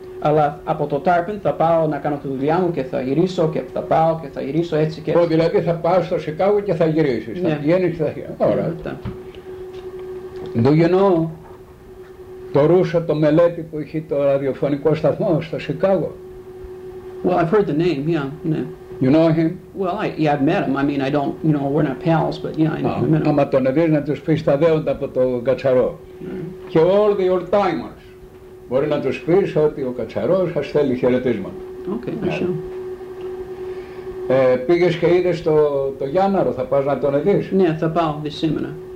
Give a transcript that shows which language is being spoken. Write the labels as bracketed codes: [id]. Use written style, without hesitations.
[el] Αλλά από το Tarpon θα πάω να κάνω τη δουλειά μου και θα γυρίσω και θα πάω και θα γυρίσω έτσι και έτσι. Oh, δηλαδή θα πάω στο Chicago και θα γυρίσεις. Yeah. Θα πηγαίνεις και θα γυρίσεις. Ωραία. [en] Yeah. Do you know [el] το Ρούσο, το μελέτη που έχει το ραδιοφωνικό σταθμό στο Chicago? [en] Well, I've heard the name, yeah. Yeah. You know him? Well, I've met him. I mean, I don't, you know, we're not pals, but yeah, I know him. [el] Άμα τον δεις να τους πεις τα δέοντα από το Κατσαρό. Και [en] all the old timers. [el] Μπορεί να τους πεις ότι ο Κατσαρός σας θέλει χαιρετίσμα. Οκ, ωραία. Πήγες και είδες το Γιάνναρο, θα πας να τον δεις? Ναι, θα πάω δει σήμερα.